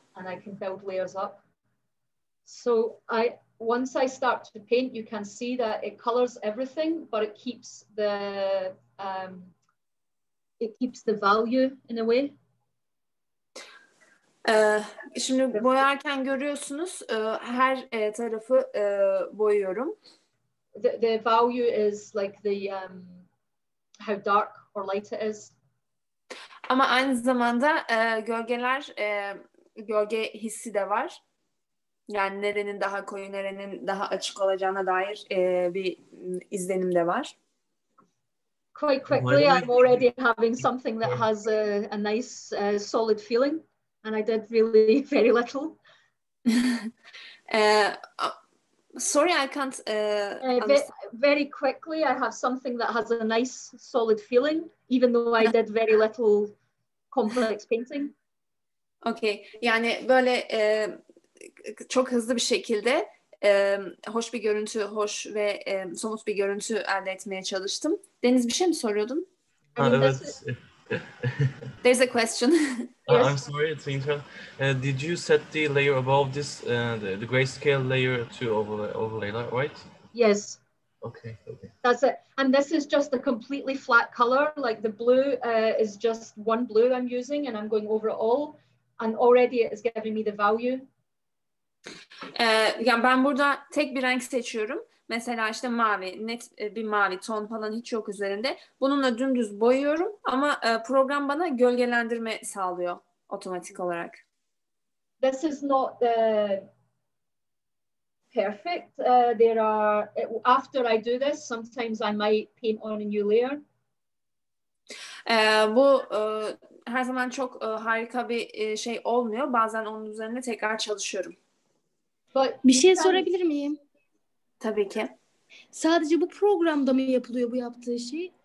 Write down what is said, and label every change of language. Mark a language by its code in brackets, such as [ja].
[en] And I can build layers up. So I once I start to paint, you can see that it colors everything, but it keeps the it keeps the value in a way. [tr] Şimdi boyarken görüyorsunuz her tarafı boyuyorum. [en] The value is like the how dark or light it is. [tr] Ama aynı zamanda gölgeler gölge hissi de var. Yani nerenin daha koyu, nerenin daha açık olacağına dair bir izlenim de var. [en] Quite quickly, I'm already having something that has a nice, solid feeling, and I did really very little. Sorry, I can't. Very quickly, I have something that has a nice, solid feeling, even though I did very little complex painting. [tr] Okay, yani böyle çok hızlı bir şekilde hoş bir görüntü, hoş ve somut bir görüntü elde etmeye çalıştım. Deniz, bir şey mi soruyordun? Evet. [en] There's a question. I'm sorry to interrupt. Did you set the layer above this, the grayscale layer to overlay, right? Yes. Okay. That's it. And this is just a completely flat color. Like the blue is just one blue I'm using and I'm going over it all. And already it is giving me the value. [tr] Yani ben burada tek bir renk seçiyorum. Mesela işte mavi, net bir mavi ton falan hiç yok üzerinde. Bununla dümdüz boyuyorum ama program bana gölgelendirme sağlıyor otomatik olarak. [en] This is not perfect. There are after I do this, sometimes I might paint on a new layer. [tr] Bu her zaman çok harika bir şey olmuyor. Bazen onun üzerine tekrar çalışıyorum. Bir şey sorabilir miyim? Tabii ki. Sadece bu programda mı yapılıyor bu yaptığı şey?